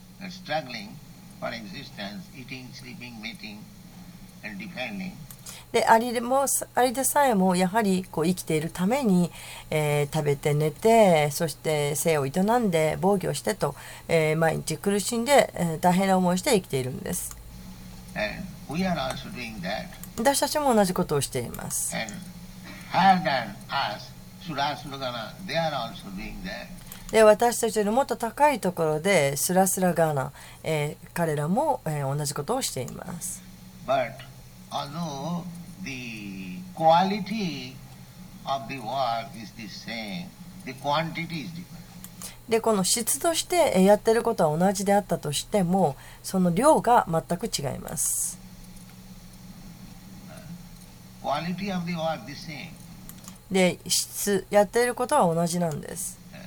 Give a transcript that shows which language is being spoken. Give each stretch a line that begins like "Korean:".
English: Struggling for existence, eating, sleeping, mating, and defending.
Japanese: で、アリでさえもやはりこう生きているために、食べて寝て、そして生を営んで防御してと、毎日苦しんで、大変な思いをして生きているんです。
English: And we are also doing that.
Japanese: 私たちも同じことをしています。
English: And higher than us, Surasuragana, they are also doing that.
Japanese: で、私たちよりもっと高いところでスラスラガナ、彼らも、同じことをしています。
English: ButAlthough the quality of the work is the same, the quantity is different.
Japanese: で、この質としてやってることは同じであったとしても、その量が全く違います。
English: Quality of the work the same.
Japanese: で、質、やってることは同じなんです。